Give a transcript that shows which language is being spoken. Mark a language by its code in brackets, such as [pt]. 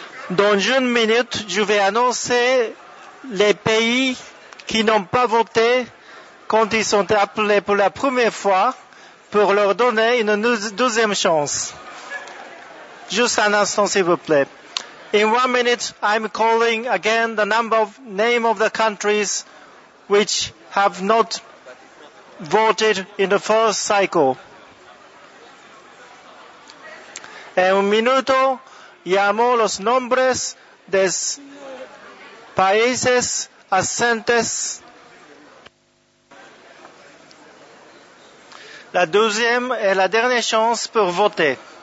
[fr] Dans une minute, je vais annoncer les pays qui n'ont pas voté quand ils sont appelés pour la première fois pour leur donner une deuxième chance. Juste un instant, s'il vous plaît. [en] In 1 minute, I'm calling again the number of name of the countries which have not voted in the first cycle. [es] En un minuto, llamo los nombres de países absentes. [fr] La deuxième est la dernière chance pour voter.